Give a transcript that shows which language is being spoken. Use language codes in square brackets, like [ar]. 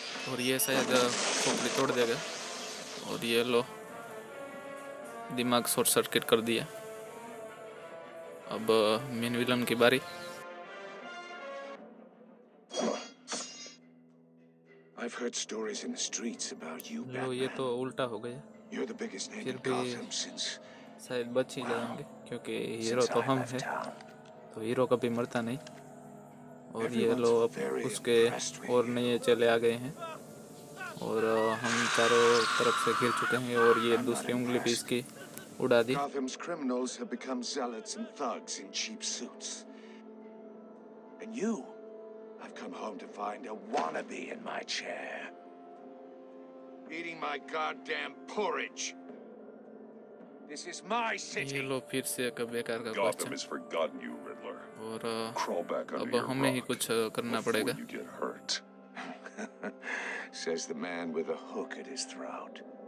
[hi] और ये शायद खोपड़ी तोड़ देगा और ये लो दिमाग शॉर्ट सर्किट कर दिया अब मेन विलन की बारी [en] I've heard stories in the streets about you, [hi] Batman. ये तो उल्टा हो गया. [en] You're the biggest name in Gotham since. [hi] शायद बच ही जाएंगे क्योंकि हीरो तो हम हैं. तो हीरो कभी मरता नहीं. और ये लोग अब उसके और नए चले आ गए हैं. और हम चारों तरफ से घिर चुके हैं और ये दूसरी उंगली भी इसकी उड़ा दी. [en] Gotham's criminals have become zealots and thugs in cheap suits. And you, I've come home to find a wannabe in my chair. Eating my goddamn porridge. This is my city. [hi] ये लो फिर से बेकार का question. [en] Gotham has forgotten you, Riddler. [hi] और अब हमें ही कुछ करना पड़ेगा. [en] Says the man with a hook at his throat.